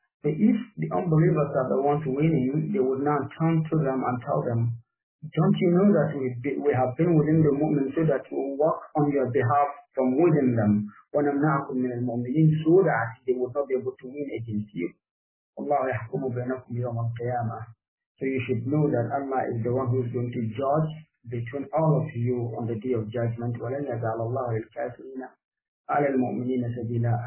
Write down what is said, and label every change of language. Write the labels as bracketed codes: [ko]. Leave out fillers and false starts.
[en] But if the unbelievers are the ones winning, they would not turn to them and tell them, don't you know that we have been within the mu'min so that we work on your behalf from within them, [ar] وَنَمْنَعْكُمْ مِنَ الْمُؤْمِنِينَ, [en] so that they would not be able to win against you. [ar] Allah يحكم بينكم يوم القيامة. [en] So you should know that Allah is the one who is going to judge between all of you on the day of judgment. [ar] ولن يجعل الله للكافرين على المؤمنين سبيلا.